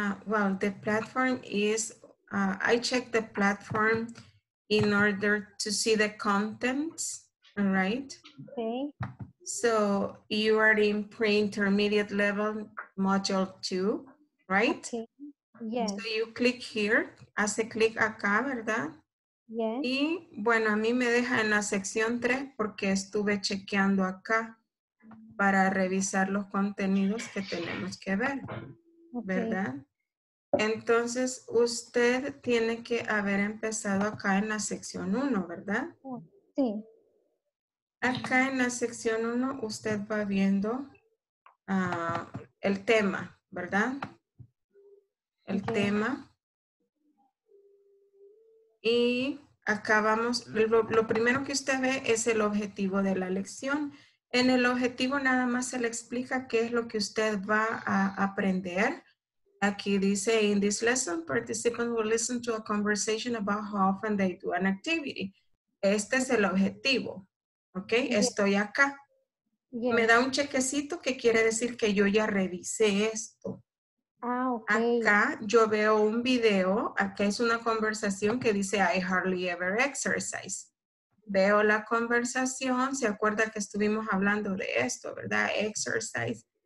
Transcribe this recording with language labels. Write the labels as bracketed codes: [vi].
[en] Well, the platform is, I checked the platform in order to see the contents, all right? Okay. So you are in pre-intermediate level module 2, right? Okay. Yes. So you click here, [es] hace click acá, ¿verdad? [en] Yes. [es] Y bueno, a mí me deja en la sección 3 porque estuve chequeando acá para revisar los contenidos que tenemos que ver, ¿verdad? [en] Okay. [es] Entonces, usted tiene que haber empezado acá en la sección 1, ¿verdad? Sí. Acá en la sección 1 usted va viendo el tema, ¿verdad? El tema. Y acá vamos, lo primero que usted ve es el objetivo de la lección. En el objetivo nada más se le explica qué es lo que usted va a aprender. Aquí dice, [en] in this lesson, participants will listen to a conversation about how often they do an activity. [es] Este es el objetivo. Ok, yes. Estoy acá. Yes. Me da un chequecito que quiere decir que yo ya revisé esto. [en] Ah, okay. [es] Acá yo veo un video, acá es una conversación que dice, [en] I hardly ever exercise. [es] Veo la conversación, se acuerda que estuvimos hablando de esto, ¿verdad? Exercise.